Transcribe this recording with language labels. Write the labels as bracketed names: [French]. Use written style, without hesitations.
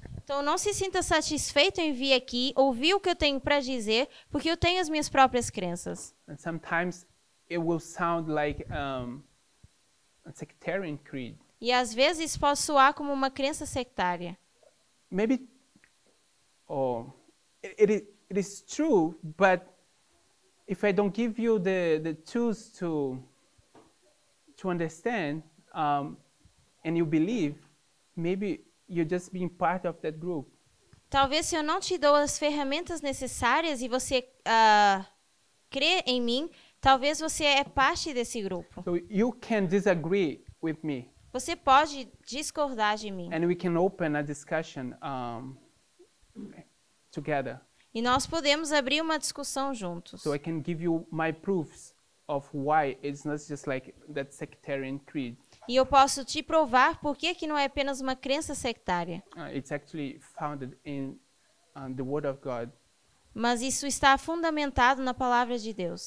[Portuguese] Então não se sinta satisfeito em vir aqui ouvir o que eu tenho para dizer porque eu tenho as minhas próprias crenças. [English] And sometimes it will sound like a sectarian creed. [Portuguese] E às vezes pode soar como uma crença sectária. [English] Maybe, or it is true, but if I don't give you the tools to understand and you believe, maybe you're just being part of that group. [Portuguese] Talvez se eu não te dou as ferramentas necessárias e você crê em mim. Talvez você é parte desse grupo. [English] So you can disagree with me. [Portuguese] Você pode discordar de mim. [English] And we can open a discussion together. [Portuguese] E nós podemos abrir uma discussão juntos. [English] So I can give you my proofs of why it's not just like that sectarian creed. [Portuguese] E eu posso te provar por que não é apenas uma crença sectária. [English] It's actually founded in the Word of God. [Portuguese] Mas isso está fundamentado na palavra de Deus.